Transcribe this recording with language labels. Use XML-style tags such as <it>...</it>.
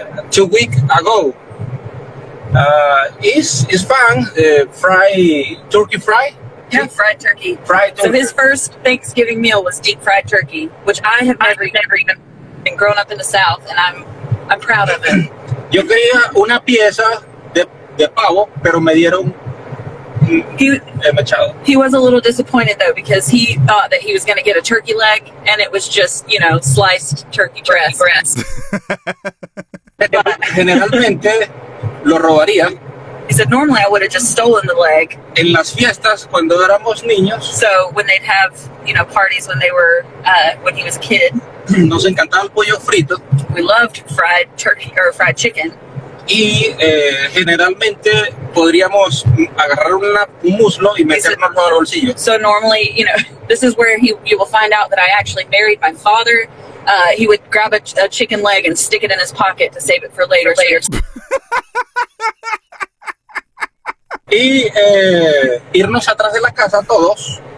<en>2 weeks ago, it's fun. Fried turkey. So his first Thanksgiving meal was deep fried turkey, which I have never even been growing up in the South, and I'm proud of it.</en> <es>Yo quería una pieza de pavo, pero me dieron machado.</es> <en>He was a little disappointed though because he thought that he was going to get a turkey leg, and it was just sliced turkey breast.</en> <es>Generalmente lo robaría.</es> <en>He said, normally I would have just stolen the leg.</en> <es>En las fiestas, cuando éramos niños.</es> <en>So when they'd have, parties when they were, when he was a kid.</en> <es>Nos encantaba el pollo frito.</es> <en>We loved fried turkey or fried chicken.</en> <es>Y generalmente podríamos agarrar un muslo y meternoslo al bolsillo.</es> <en>So normally, this is where you will find out that I actually married my father. He would grab a chicken leg and stick it in his pocket to save it for later.</en> <es>Y irnos atrás de la casa todos.</es>